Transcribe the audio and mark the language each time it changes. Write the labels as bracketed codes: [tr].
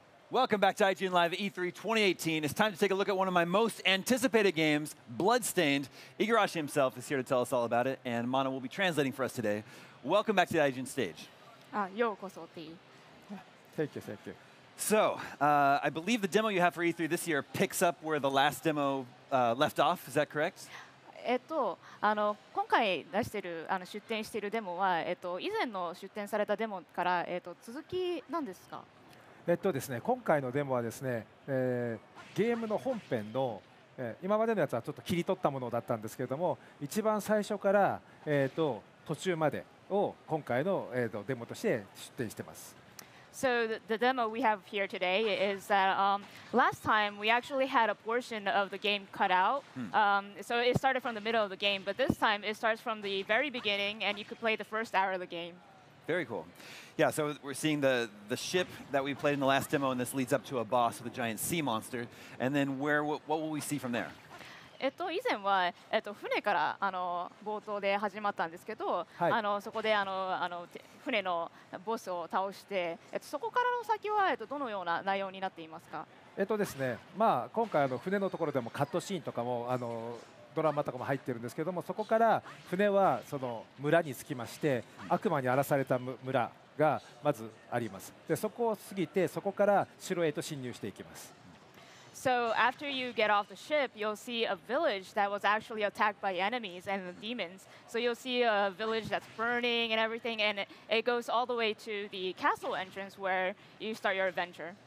[en] Welcome back to IGN Live E3 2018. It's time to take a look at one of my most anticipated games, Bloodstained. Igarashi himself is here to tell us all about it, and Mana will be translating for us today. Welcome back to the IGN stage. Thank you. So, I believe the demo you have for E3 this year picks up where the last demo left off. Is that correct? [ja] 今回出展しているデモは、以前の出展されたデモから、続きなんですか？ですね、今回のデモはですね、ゲームの本編の、今までのやつはちょっと切り取ったものだったんですけれども、一番最初から、途中までを今回の、デモとして出展しています。 [en] So the demo we have here today is that last time we actually had a portion of the game cut out. So it started from the middle of the game, but this time it starts from the very beginning and you could play the first hour of the game. Very cool. Yeah, so we're seeing the ship that we played in the last demo, and this leads up to a boss with a giant sea monster. And then where what will we see from there? [ja] 以前は船から冒頭で始まったんですけど、はい、そこで船のボスを倒して、そこからの先はどのような内容になっていますか？ですね、まあ、今回船のところでもカットシーンとかもドラマとかも入ってるんですけども、そこから船はその村に着きまして、悪魔に荒らされた村がまずあります。で、そこを過ぎて、そこから城へと侵入していきます。 [en] So after you get off the ship, you'll see a village that was actually attacked by enemies and demons. So you'll see a village that's burning and everything, and it goes all the way to the castle entrance where you start your adventure.